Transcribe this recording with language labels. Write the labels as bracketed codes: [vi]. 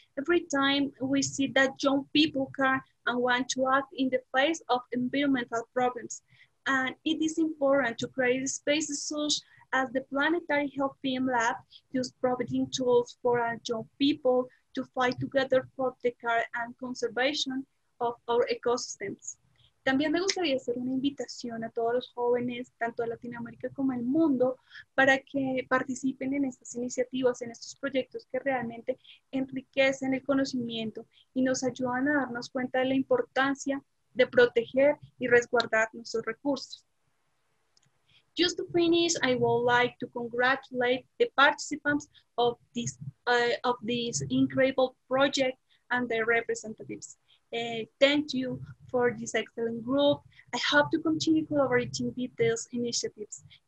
[en] Every time we see that young people care and want to act in the face of environmental problems. And it is important to create spaces such as the Planetary Health Film Lab, use providing tools for our young people to fight together for the care and conservation of our ecosystems. [es] También me gustaría hacer una invitación a todos los jóvenes, tanto de Latinoamérica como el mundo, para que participen en estas iniciativas, en estos proyectos que realmente enriquecen el conocimiento y nos ayudan a darnos cuenta de la importancia de proteger y resguardar nuestros recursos. [en] Just to finish, I would like to congratulate the participants of this incredible project and their representatives. Thank you for this excellent group. I hope to continue collaborating with these initiatives.